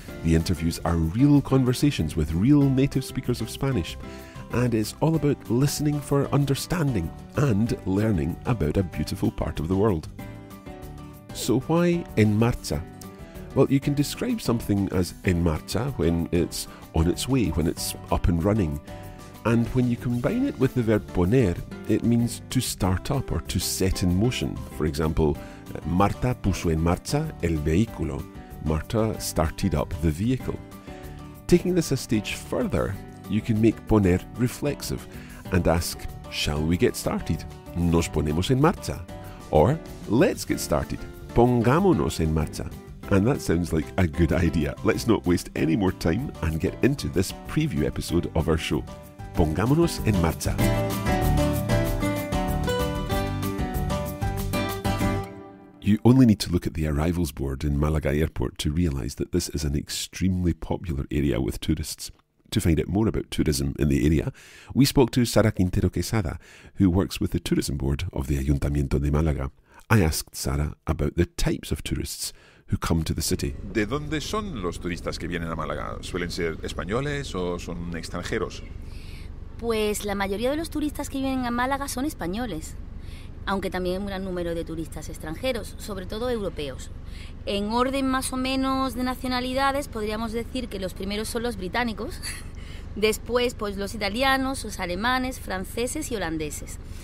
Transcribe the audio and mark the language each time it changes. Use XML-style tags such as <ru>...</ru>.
<en>The interviews are real conversations with real native speakers of Spanish, and it's all about listening for understanding and learning about a beautiful part of the world. So why En Marcha? Well, you can describe something as en marcha when it's on its way, when it's up and running. And when you combine it with the verb poner, it means to start up or to set in motion.</en> <es>For example, Marta puso en marcha el vehículo.</es> <en>Marta started up the vehicle. Taking this a stage further, you can make poner reflexive and ask, shall we get started?</en> <es>Nos ponemos en marcha.</es> <en>Or, let's get started.</en> <es>Pongámonos en marcha.</es> <en>And that sounds like a good idea. Let's not waste any more time and get into this preview episode of our show.</en> <es>Pongámonos en marcha.</es> <en>You only need to look at the arrivals board in Málaga Airport to realize that this is an extremely popular area with tourists. To find out more about tourism in the area, we spoke to Sara Quintero Quesada, who works with the tourism board of the Ayuntamiento de Málaga. I asked Sara about the types of tourists who come to the city.</en> <es>¿De dónde son los turistas que vienen a Málaga? ¿Suelen ser españoles o son extranjeros? Pues la mayoría de los turistas que vienen a Málaga son españoles, aunque también hay un gran número de turistas extranjeros, sobre todo europeos. En orden más o menos de nacionalidades, podríamos decir que los primeros son los británicos, después pues los italianos, los alemanes, franceses y holandeses.</es>